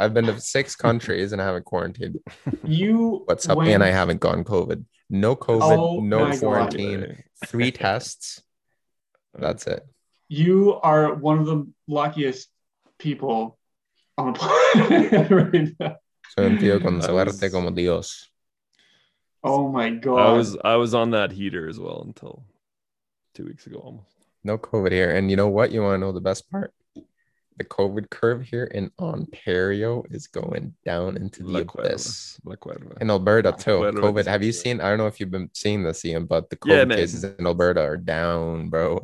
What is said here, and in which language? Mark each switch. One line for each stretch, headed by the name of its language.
English: I've been to 6 countries and I haven't quarantined. You what's up? And I haven't gone COVID. No COVID, no quarantine, God. 3 tests. That's it. You are one of the luckiest people on the planet right now.
Spanish: Soy un tío con suerte como Dios.
English: Oh my God. I was on that heater as well until 2 weeks ago almost. No COVID here. And you know what? You want to know the best part? The COVID curve here in Ontario is going down into the abyss. In Alberta too. COVID. Have you seen? I don't know if you've been seeing this, Ian, but the COVID cases in Alberta are down, bro.